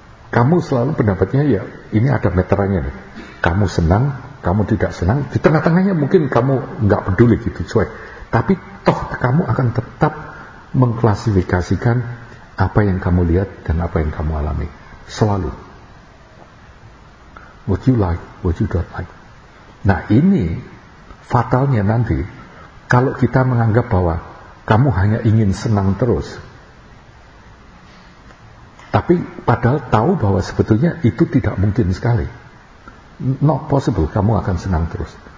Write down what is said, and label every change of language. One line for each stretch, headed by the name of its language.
Indonesian: Kamu selalu pendapatnya ya ini ada meterannya nih. Kamu senang, kamu tidak senang, di tengah-tengahnya mungkin kamu gak peduli gitu, cuek. Tapi toh kamu akan tetap mengklasifikasikan apa yang kamu lihat dan apa yang kamu alami. Selalu.
English: What you like, what you don't like.
Indonesian: Nah ini fatalnya nanti, kalau kita menganggap bahwa kamu hanya ingin senang terus, tapi padahal tahu bahwa sebetulnya itu tidak mungkin sekali.
English: Not possible
Indonesian: kamu akan senang terus.